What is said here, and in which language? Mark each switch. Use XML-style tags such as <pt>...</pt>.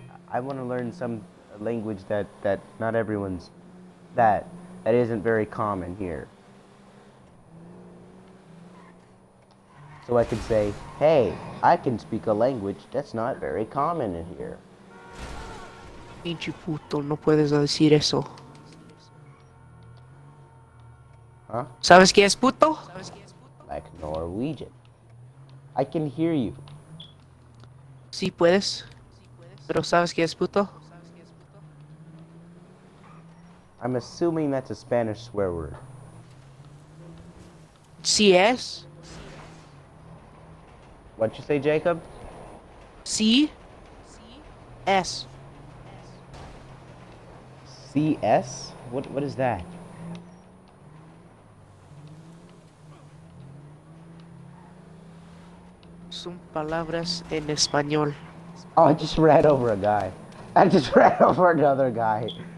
<en>I want to learn some language that not everyone's that isn't very common here, so I could say, hey, I can speak a language that's not very common in here.</en> <es>Pinche puto, no puedes decir eso. Huh? ¿Sabes qué es puto?</es> <en>Like Norwegian. I can hear you.</en> <es>Sí puedes, pero ¿sabes qué es puto?</es> <en>I'm assuming that's a Spanish swear word.</en> <es>Sí es.</es> <en>What'd you say, Jacob?</en> <es>Sí. S.</es> <en>CS? What is that?</en> <es>Son palabras en español.</es> <en>Oh, I just ran over a guy. I just ran over another guy.</en>